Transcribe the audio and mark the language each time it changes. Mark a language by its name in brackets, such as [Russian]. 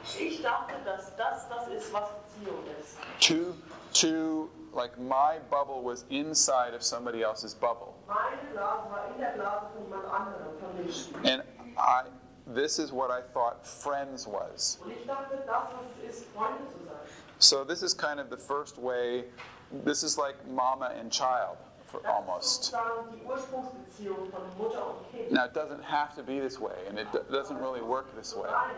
[German] Ich dachte, dass das ist, was Beziehung ist. [English] To like my bubble was inside of somebody else's bubble. [German] Meine Blase war in der Blase von jemand anderem, von dem. [English] And I, this is what I thought friends was. [German] Und ich dachte, das ist Freunde zu sein. [English] So this is kind of the first way, this is like mama and child, almost. Now it doesn't have to be this way, and it doesn't really work this way.